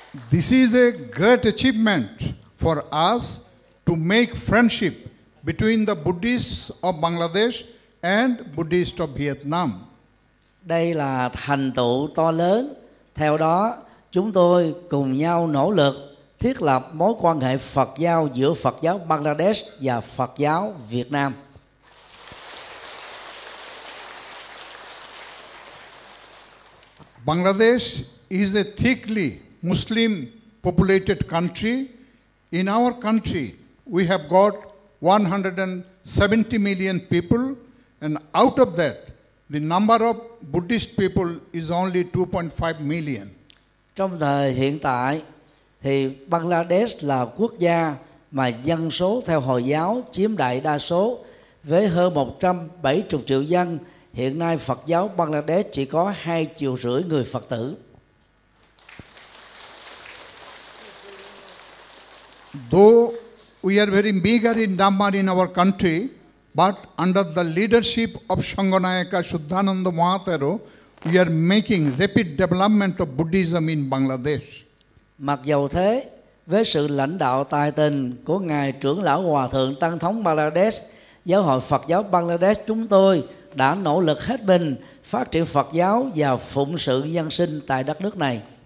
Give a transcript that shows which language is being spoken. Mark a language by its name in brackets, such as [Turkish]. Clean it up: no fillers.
[English] This is a great achievement for us to make friendship between the Buddhists of Bangladesh and Buddhists of Vietnam. [Vietnamese] Đây là thành tựu to lớn, theo đó chúng tôi cùng nhau nỗ lực thiết lập mối quan hệ Phật giáo giữa Phật giáo Bangladesh và Phật giáo Việt Nam. [English] Bangladesh is a thickly Muslim populated country. In our country, we have got 170 million people, and out of that, the number of Buddhist people is only 2.5 million. [Vietnamese] Trong thời hiện tại thì Bangladesh là quốc gia mà dân số theo Hồi giáo chiếm đại đa số, với hơn 170 triệu dân, hiện nay Phật giáo Bangladesh chỉ có 2,5 triệu người Phật tử. [English] Though we are very meager in number in our country, but under the leadership of Sanghanayaka Shuddhananda Mahathero, we are making rapid development of Buddhism in Bangladesh. [Vietnamese] Mặc dù thế, với sự lãnh đạo tài tình của Ngài Trưởng Lão Hòa Thượng Tăng Thống Bangladesh, Giáo hội Phật giáo Bangladesh chúng tôi đã nỗ lực hết mình phát triển Phật giáo và phụng sự dân sinh tại đất nước này.